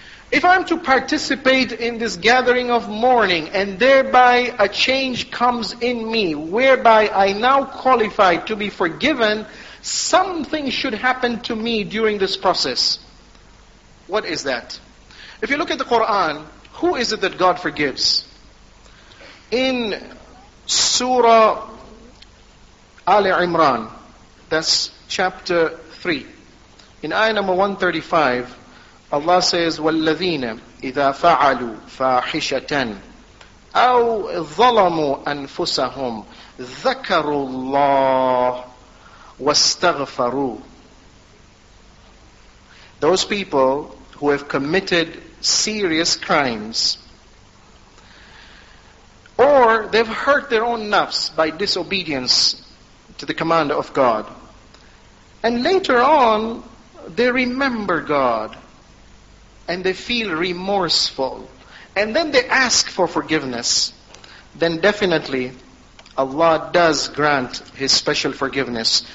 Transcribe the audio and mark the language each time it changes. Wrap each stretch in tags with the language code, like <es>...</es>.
<en>If I'm to participate in this gathering of mourning and thereby a change comes in me, whereby I now qualify to be forgiven, something should happen to me during this process. What is that? If you look at the Quran, who is it that God forgives? In Surah Ali Imran, that's chapter 3. In ayah number 135, Allah says,</en> <ar>وَالَّذِينَ إِذَا فَعَلُوا فَاحِشَةً أَوْ ظَلَمُوا أَنفُسَهُمْ ذَكَرُوا اللَّهُ وَاسْتَغْفَرُوا.</ar> <en>Those people who have committed serious crimes, or they've hurt their own nafs by disobedience to the commander of God. And later on, they remember God and they feel remorseful, and then they ask for forgiveness, then definitely Allah does grant His special forgiveness.</en>